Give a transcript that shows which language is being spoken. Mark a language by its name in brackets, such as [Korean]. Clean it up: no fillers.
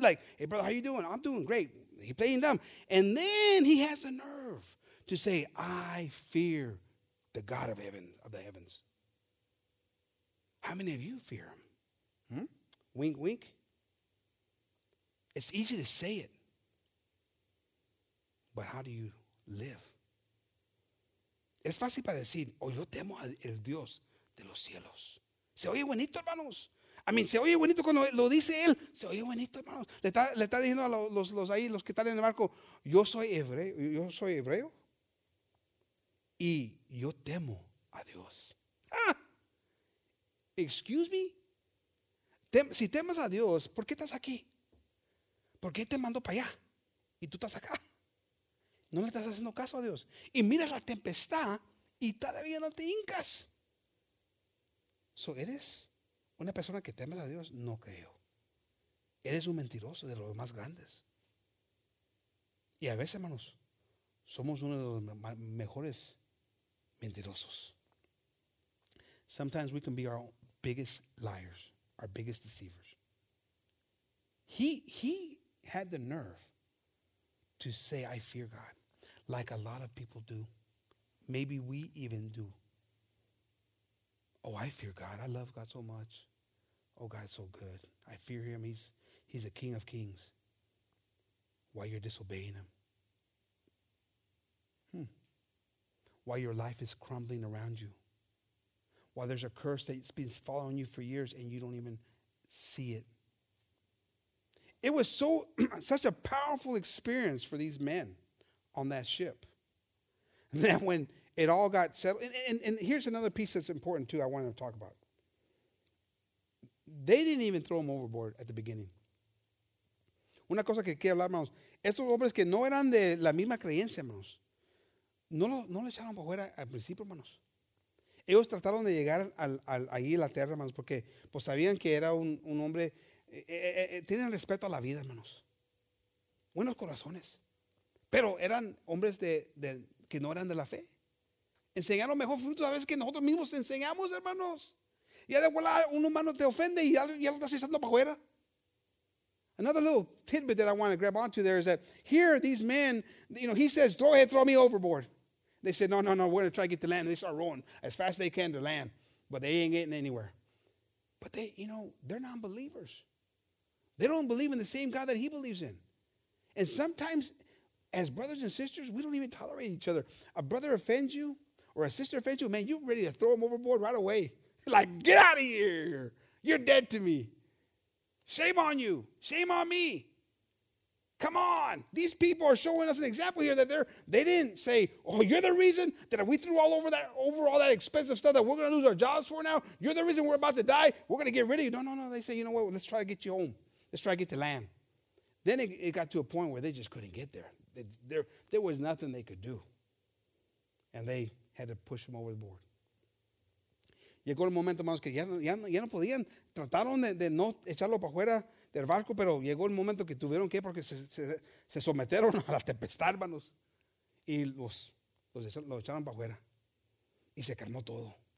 [English] Like, hey, brother, how you doing? I'm doing great. He playing dumb. And then he has the nerve to say, I fear the God of heaven, of the heavens. How many of you fear him? Wink, wink. It's easy to say it, but how do you live? [Spanish] Es fácil para decir, oh, yo temo al Dios de los cielos. Se oye bonito, hermanos. [English] I mean, [Spanish] se oye bonito cuando lo dice él. Se oye bonito, hermanos. Le está diciendo a los ahí, los que están en el barco, yo soy hebreo y yo temo a Dios. [English] Excuse me. [Spanish] Si temas a Dios, ¿por qué estás aquí? ¿Por qué te mando para allá? Y tú estás acá. No le estás haciendo caso a Dios. Y miras la tempestad y todavía no te hincas. So, ¿eres una persona que temes a Dios? No creo. Eres un mentiroso de los más grandes. Y a veces, hermanos, somos uno de los mejores mentirosos. [English] Sometimes we can be our biggest liars, our biggest deceivers. He had the nerve to say, I fear God. Like a lot of people do. Maybe we even do. Oh, I fear God. I love God so much. Oh, God's so good. I fear him. He's a king of kings. While you're disobeying him. While your life is crumbling around you. while there's a curse that's been following you for years and you don't even see it. It was so such a powerful experience for these men on that ship that when it all got settled, and here's another piece that's important too I wanted to talk about. They didn't even throw them overboard at the beginning. [Spanish] Una cosa que quiero hablar, hermanos. Esos hombres que no eran de la misma creencia, hermanos. No lo echaron para afuera al principio, hermanos. Ellos trataron de llegar ahí a la tierra, hermanos, porque pues sabían que era un hombre. Tienen respeto a la vida, hermanos. Buenos corazones. Pero eran hombres de que no eran de la fe. Enseñaron mejor frutos a veces que nosotros mismos enseñamos, hermanos. Ya de igual un humano te ofende y ya lo estás echando para afuera. [English] Another little tidbit that I want to grab onto there is that here these men, you know, he says, go ahead, throw me overboard. They said, no, we're going to try to get to land. And they start rowing as fast as they can to land, but they ain't getting anywhere. But they, you know, they're non-believers. They don't believe in the same God that he believes in. And sometimes, as brothers and sisters, we don't even tolerate each other. A brother offends you or a sister offends you, man, you're ready to throw them overboard right away. Like, get out of here. You're dead to me. Shame on you. Shame on me. Come on. These people are showing us an example here that they didn't say, oh, you're the reason that we threw all over that over all that expensive stuff that we're going to lose our jobs for now. You're the reason we're about to die. We're going to get rid of you. No. They say, you know what? Let's try to get you home. Let's try to get to land. Then it got to a point where they just couldn't get there. There was nothing they could do. And they had to push them over the board. [Spanish] Llegó el momento, hermanos, que ya no podían. Trataron de no echarlo para afuera del barco, pero llegó el momento que tuvieron que, porque se sometieron a la tempestad, hermanos. Y los echaron para afuera. Y se calmó todo.